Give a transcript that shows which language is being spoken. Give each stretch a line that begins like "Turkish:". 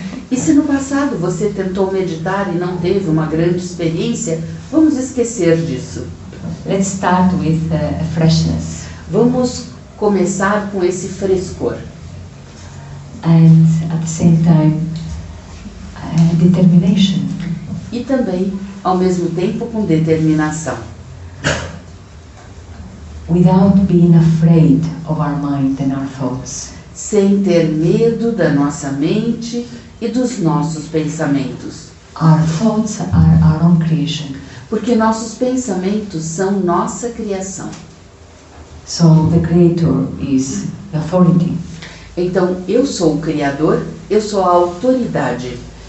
Portuguese: E se no passado você tentou meditar e não teve uma grande experiência, vamos esquecer disso.
English: Let's start with a freshness.
Portuguese: Vamos começar com esse frescor.
English: And at the same time, determination.
Portuguese: E também, ao mesmo tempo, com determinação.
English: Without being afraid of our mind and our thoughts.
Portuguese: Sem ter medo da nossa mente e dos nossos pensamentos.
English: Our thoughts are our own creation.
Portuguese: Porque nossos pensamentos são nossa criação.
English: So the creator is the authority.
Portuguese: Então eu sou o criador, eu sou a autoridade.